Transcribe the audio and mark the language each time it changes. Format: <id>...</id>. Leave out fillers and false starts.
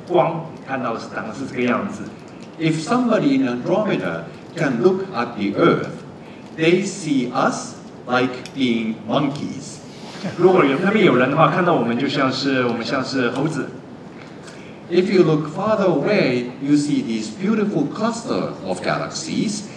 <zh>如果你照一张这个仙女座星云的照片，那这个是比如说230万年前的光，看到的是这个样子。</zh> <en>If somebody in Andromeda can look at the Earth, they see us like being monkeys.</en> <zh>如果那边有人的话，看到我们就像是猴子。</zh> <en>If you look farther away, you see these beautiful cluster of galaxies.</en>